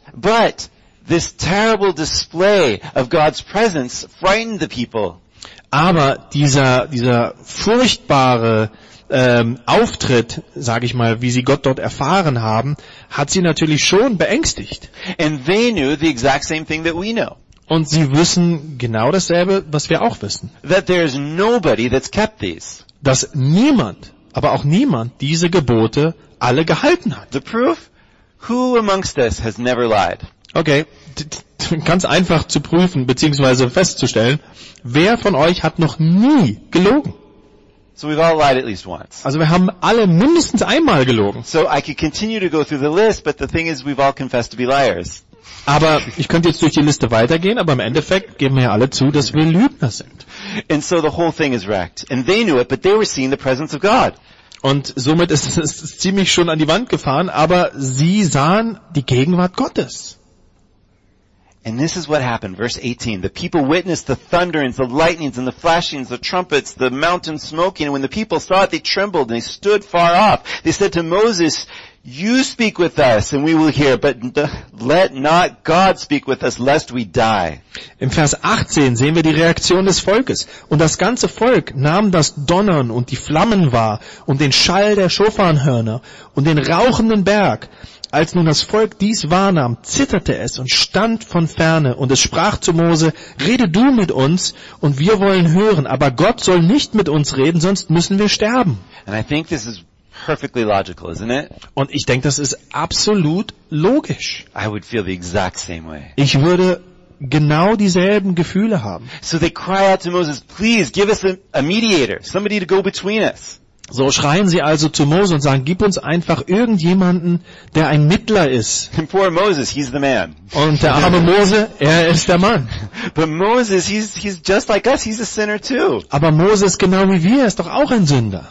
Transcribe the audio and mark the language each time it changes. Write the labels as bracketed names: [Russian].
[English] But this terrible display of God's presence frightened the people. [German] Aber dieser furchtbare Auftritt, sage ich mal, wie sie Gott dort erfahren haben, hat sie natürlich schon beängstigt. [English] And they knew the exact same thing that we know. [German] Und sie wissen genau dasselbe, was wir auch wissen. [English] That there is nobody that's kept these. [German] Dass niemand, aber auch niemand, diese Gebote alle gehalten hat. [English] The proof? Who amongst us has never lied? [German] Okay, ganz einfach zu prüfen bzw. festzustellen, wer von euch hat noch nie gelogen? [English] So we've all lied at least once. [German] Also wir haben alle mindestens einmal gelogen. [English] So I could continue to go through the list, but the thing is we've all confessed to be liars. [German] Aber ich könnte jetzt durch die Liste weitergehen, aber im Endeffekt geben wir ja alle zu, dass wir Lügner sind. [English] And so the whole thing is wrecked. And they knew it, but they were seeing the presence of God. [German] Und somit ist es ziemlich schon an die Wand gefahren, aber sie sahen die Gegenwart Gottes. [English] And this is what happened, verse 18. The people witnessed the thunderings, the lightnings, and the flashings, the trumpets, the mountain smoking. And when the people saw it, they trembled, and they stood far off. They said to Moses, you speak with us, and we will hear, but let not God speak with us, lest we die. [German] Im Vers 18 sehen wir die Reaktion des Volkes. Und das ganze Volk nahm das Donnern und die Flammen wahr, und den Schall der Schofarnhörner, und den rauchenden Berg. Als nun das Volk dies wahrnahm, zitterte es und stand von ferne, und es sprach zu Mose, rede du mit uns, und wir wollen hören, aber Gott soll nicht mit uns reden, sonst müssen wir sterben. [English] And I think this is perfectly logical, isn't it? [German] Und ich denke, das ist absolut logisch. [English] I would feel the exact same way. [German] Ich würde genau dieselben Gefühle haben. [English] So they cry out to Moses, please give us a mediator, somebody to go between us. [German] So schreien sie also zu Mose und sagen, gib uns einfach irgendjemanden, der ein Mittler ist. [English] Poor Moses, he's the man. [German] Und der arme Mose, er ist der Mann. [English] But Moses, he's just like us, he's a sinner too. [German] Aber Moses, genau wie wir, ist doch auch ein Sünder.